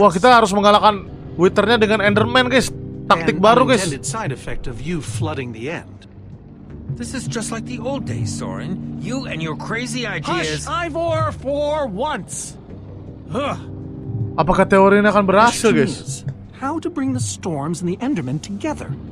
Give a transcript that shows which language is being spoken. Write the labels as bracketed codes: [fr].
[id] Wah, kita harus mengalahkan Withernya dengan Enderman, guys. Taktik [en] and [id] baru, guys. [en] Unintended side effect of you flooding the end. This is just like the old days, Soren. You and your crazy ideas. Hush, Ivor, for once. [id] Apakah teori ini akan berhasil, guys? [en] How to bring the storms and the Endermen together?